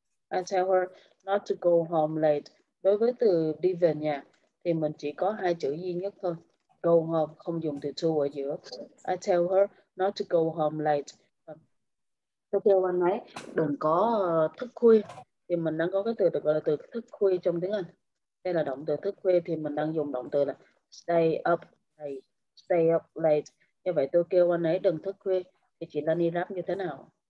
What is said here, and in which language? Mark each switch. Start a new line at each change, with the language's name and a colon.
English: I tell her not to go home late.
Vietnamese: Đối với từ đi về nhà thì mình chỉ có hai chữ duy nhất thôi.
English: Go home,
Vietnamese: không dùng từ to ở giữa.
English: I tell her not to go home late.
Vietnamese: Tôi kêu anh ấy đừng có thức khuya. Thì mình đang có cái từ được gọi là từ thức khuya trong tiếng Anh. Đây là động từ thức khuya, thì mình đang dùng động từ là
English: stay up late. Stay up late.
Vietnamese: Như vậy tôi kêu anh ấy đừng thức khuya, thì chị Lani rap như thế nào?